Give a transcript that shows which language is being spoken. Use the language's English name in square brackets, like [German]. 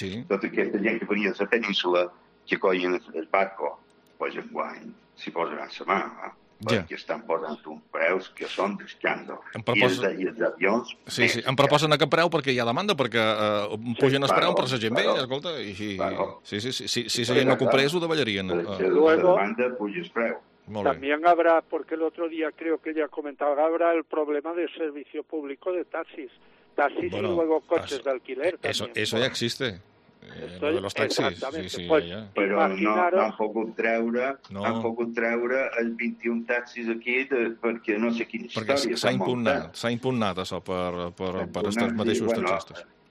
[Catalan] Tota aquesta gent que venia de la península que collen el barco, pues enguany s'hi posaran la mà, no? Ja. Perquè estan posant un preu que són d'escàndol. I els avions... Sí, sí. Em proposen aquest preu perquè hi ha demanda, perquè pugen els preus per la gent bé, escolta. I, [Spanish] claro. [Catalan] Sí, si no comprés, ho davallarien. Luego, la demanda puja el preu. [Spanish] También habrá, porque el otro día creo que ya comentaba, habrá el problema del servicio público de taxis. Taxis bueno, y luego coches de alquiler. También, eso ya existe. De los taxis, sí, pues, [Catalan] ja. Però no han pogut treure els 21 taxis aquí perquè no sé quina perquè història. Perquè s'ha impugnat això per estos mateixos taxistes.